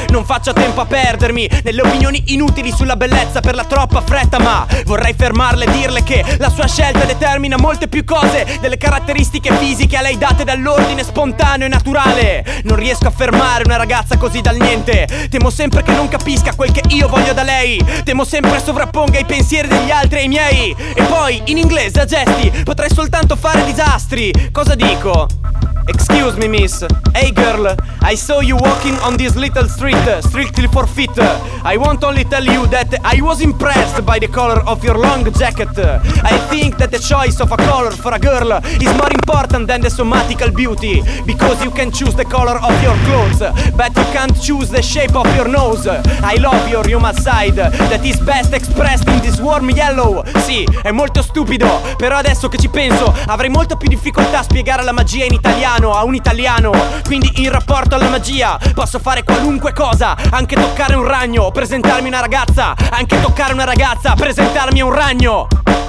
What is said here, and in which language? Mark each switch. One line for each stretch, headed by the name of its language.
Italian: Non faccio tempo a perdermi nelle opinioni inutili sulla bellezza per la troppa fretta, ma vorrei fermarle e dirle che la sua scelta determina molte più cose delle caratteristiche fisiche a lei date dall'ordine spontaneo e naturale. Non riesco a fermare una ragazza così dal niente, temo sempre che non capisca quel che io voglio da lei, temo sempre sovrapponga i pensieri degli altri ai miei. E poi in inglese a gesti potrei soltanto fare disastri. Cosa dico?
English: Excuse me miss, hey girl, I saw you walking on this little street, strictly for fit. I won't only tell you that I was impressed by the color of your long jacket. I think that the choice of a color for a girl is more important than the somatical beauty, because you can choose the color of your clothes, but you can't choose the shape of your nose. I love your human side, that is best expressed in this warm yellow.
Italian: Sì, è molto stupido, però adesso che ci penso, avrei molto più difficoltà a spiegare la magia in italiano a un italiano. Quindi in rapporto alla magia, posso fare qualunque cosa, anche toccare un ragno, presentarmi una ragazza, anche toccare una ragazza, presentarmi a un ragno.